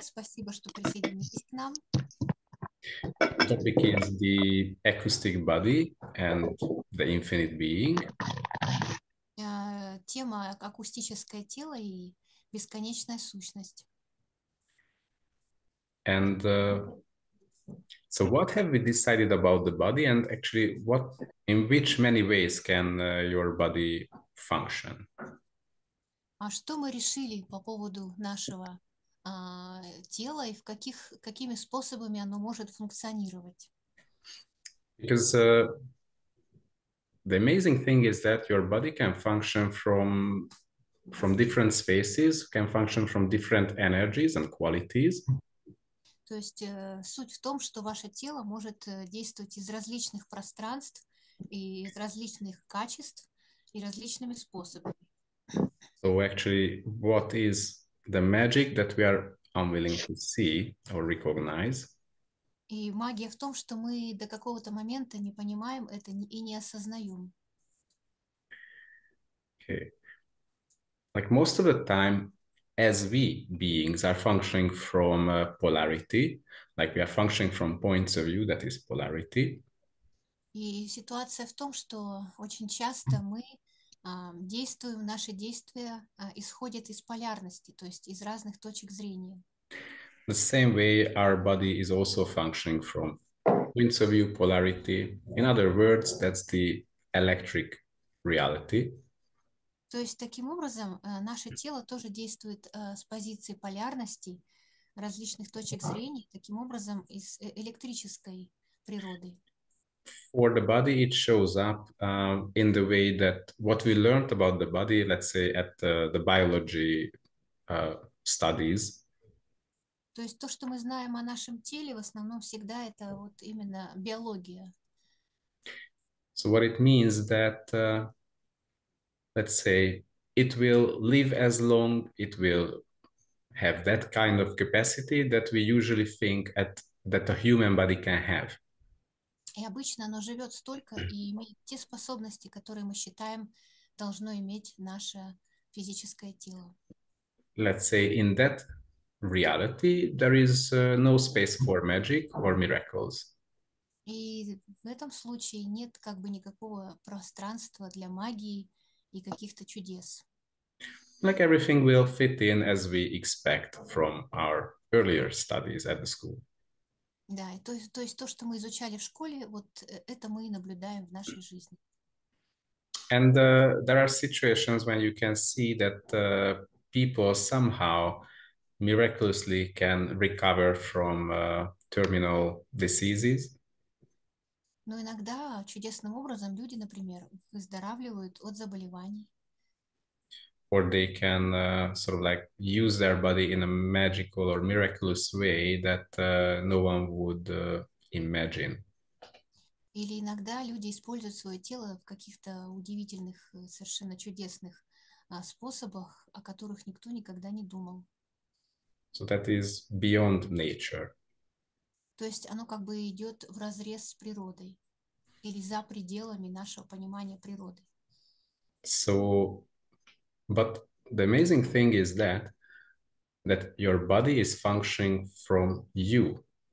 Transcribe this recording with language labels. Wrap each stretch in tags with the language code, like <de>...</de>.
<ru>Спасибо, что присоединились к нам.</ru> <en>Topic is the acoustic body and the infinite being.</en> <ru>Тема акустическое тело и бесконечная сущность.</ru> <en>And so what have we decided about the body and actually what in which many ways can your body function?</en> <ru>А что мы решили по поводу нашего тела и какими способами оно может функционировать?</ru> <en>Because the amazing thing is that your body can function from different spaces, can function from different energies and qualities.</en> <ru>То есть суть в том, что ваше тело может действовать из различных пространств и из различных качеств и различными способами.</ru> <en>So actually, what is the magic that we are unwilling to see or recognize?</en> <ru>И магия в том, что мы до какого-то момента не понимаем это и не осознаем.</ru> <en>Okay. Like most of the time, as we beings are functioning from polarity, like we are functioning from points of view, that is polarity.</en> <ru>И ситуация в том, что очень часто мы действуем, наши действия исходят из полярности, то есть из разных точек зрения.</ru> <en>The same way our body is also functioning from points of view polarity. In other words, that's the electric reality.</en> <ru>То есть таким образом наше тело тоже действует с позиции полярности различных точек зрения, таким образом из электрической природы.</ru> <en>For the body, it shows up in the way that what we learned about the body, let's say at the biology studies.</en> <ru>То есть то, что мы знаем о нашем теле, в основном всегда это вот именно биология.</ru> <en>So what it means that, let's say, it will live as long, it will have that kind of capacity that we usually think at, that a human body can have.</en> <ru>И обычно оно живет столько и имеет те способности, которые мы считаем должно иметь наше физическое тело.</ru> <en>Let's say in that reality, there is no space for magic or miracles.</en> <ru>И в этом случае нет как бы никакого пространства для магии и каких-то чудес.</ru> <en>Like everything will fit in as we expect from our earlier studies at the school.</en> <ru>Да, то есть то, что мы изучали в школе, вот это мы и наблюдаем в нашей жизни.</ru> <en>And there are situations when you can see that people somehow miraculously can recover from terminal diseases.</en> <ru>Но иногда чудесным образом люди, например, выздоравливают от заболеваний.</ru> <en>Or they can sort of like use their body in a magical or miraculous way that no one would imagine.</en> <ru>Или иногда люди используют свое тело в каких-то удивительных, совершенно чудесных способах, о которых никто никогда не думал.</ru> <en>So that is beyond nature.</en> <ru>То есть оно как бы идет вразрез с природой или за пределами нашего понимания природы.</ru> <en>So, but the amazing thing is that your body is functioning from you.</en>